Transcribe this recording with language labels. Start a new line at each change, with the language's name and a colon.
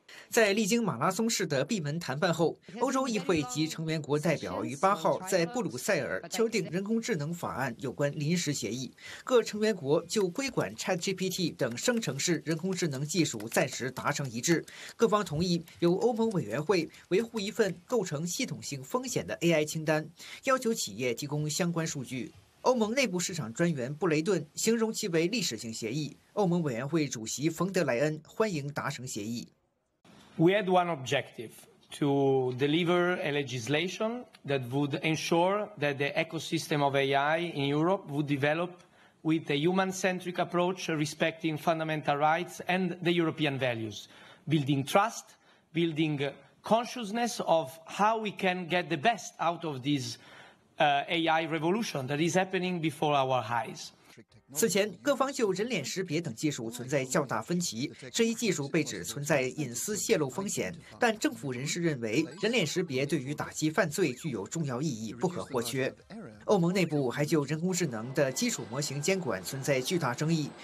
Chinese: 在历经马拉松式的闭门谈判后，欧洲议会及成员国代表于8号在布鲁塞尔敲定人工智能法案有关临时协议，各成员国就规管 ChatGPT 等生成式人工智能技术暂时达成一致，各方同意由欧盟委员会维护一份构成系统性风险的 AI 清单，要求企业提供相关数据。欧盟内部市场专员布雷顿形容其为历史性协议。欧盟委员会主席冯德莱恩欢迎达成协议。
English: We had one objective to deliver a legislation that would ensure that the ecosystem of AI in Europe would develop with a human-centric approach, respecting fundamental rights and the European values, building trust, building consciousness of how we can get the best out of this AI revolution that is happening before our eyes.
Chinese: 此前，各方就人脸识别等技术存在较大分歧。这一技术被指存在隐私泄露风险，但政府人士认为，人脸识别对于打击犯罪具有重要意义，不可或缺。欧盟内部还就人工智能的基础模型监管存在巨大争议。